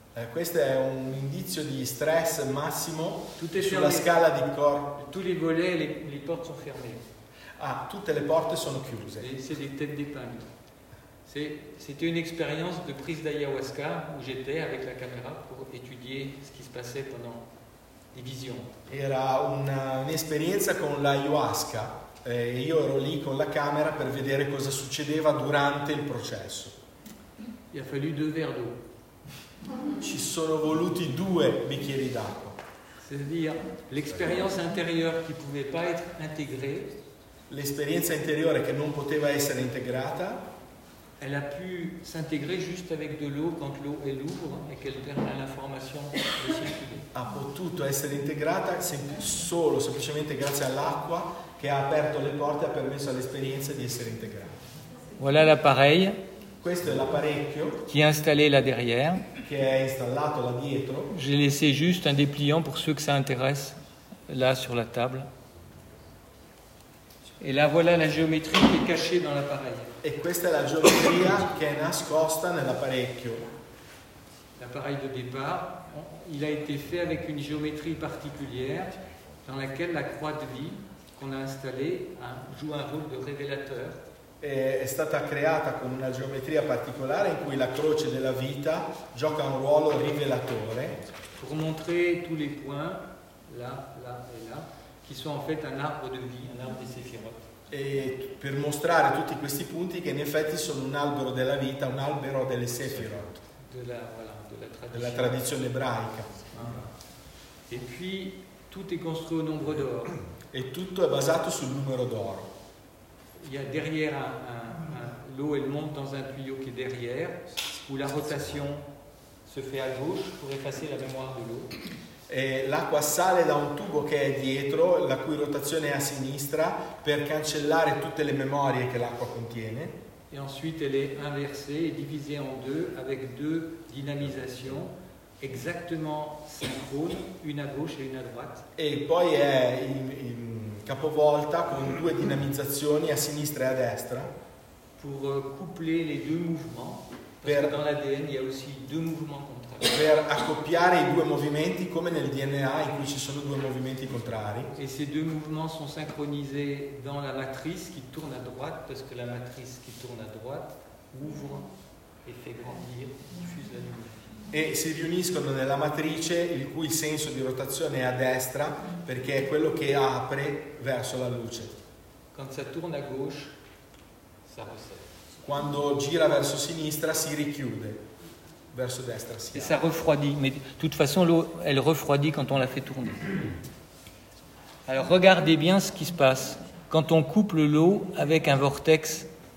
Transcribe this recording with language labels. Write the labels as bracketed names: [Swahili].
[Italian] Questo è un indizio di stress massimo sulla scala di Korotkov. [French] Tous les volets, les portes sont fermées. [Italian] Ah, tutte le porte sono chiuse. [French] Et c'est des têtes d'épingle. C'était une expérience de prise d'ayahuasca où j'étais avec la caméra pour étudier ce qui se passait pendant les visions. [Italian] Era un'esperienza con l'ayahuasca. Io ero lì con la camera per vedere cosa succedeva durante il processo. [French] Il a fallu deux verres d'eau. [Italian] Ci sono voluti due bicchieri d'acqua. [French] C'est-à-dire l'expérience intérieure qui pouvait pas être intégrée. [Italian] L'esperienza interiore che non poteva essere integrata. [French] Elle a pu s'intégrer juste avec de l'eau quand l'eau est lourde et qu'elle permet l'information de circuler. [Italian] Ha potuto essere integrata semplicemente grazie all'acqua. Che ha aperto le porte e ha permesso all'esperienza di essere integrata. [French] Voilà l'appareil. [Italian] Questo è l'apparecchio. [French] Qui est installé là derrière. [Italian] Che è installato là dietro. [French] J'ai laissé juste un dépliant pour ceux que ça intéresse, là sur la table. Et là voilà la géométrie qui est cachée dans l'appareil. [Italian] E questa è la geometria che è nascosta nell'apparecchio. [French] L'appareil de départ, il a été fait avec une géométrie particulière dans laquelle la croix de vie. On a installé joue un rôle de révélateur. [Italian] È stata creata con una geometria particolare in cui la croce della vita gioca un ruolo rivelatore. [French] Pour montrer tous les points là, là et là, qui sont en fait un arbre de vie, un arbre des séphirot. [Italian] E per mostrare tutti questi punti che in effetti sono un albero della vita, un albero delle séphirot. [French] De la [Italian] tradizione ebraica. Ah. [French] Et puis tout est construit au nombre d'or. [Italian] E tutto è basato sul numero d'oro. [French] Il y a derrière l'eau elle monte dans un tuyau qui est derrière où la rotation se fait à gauche pour effacer la mémoire de l'eau. [Italian] E l'acqua sale da un tubo che è dietro, la cui rotazione è a sinistra per cancellare tutte le memorie che l'acqua contiene. [French] Et ensuite elle est inversée et divisée en deux avec deux dynamisations. Exactement synchrone, une à gauche et une à droite. [Italian] E poi è capovolta con due dinamizzazioni a sinistra e a destra. [French] Pour coupler les deux mouvements, [Italian] perché [French] dans l'ADN il y a aussi deux mouvements contraires. [Italian] Per accoppiare i due movimenti, come nel DNA in cui ci sono due movimenti contrari. [French] Et ces deux mouvements sont synchronisés dans la matrice qui tourne à droite, parce que la matrice qui tourne à droite ouvre et fait grandir, diffuse la lumière. [Italian] E si riuniscono nella matrice il cui senso di rotazione è a destra perché è quello che apre verso la luce. [French] Quand ça tourne à gauche, ça resserre. [Italian] Quando gira verso sinistra si richiude. Verso destra si apre. [French] Et ça refroidit, mais de toute façon l'eau elle refroidit quand on la fait tourner. Alors regardez bien ce qui se passe quand on coupe l'eau avec un vortex.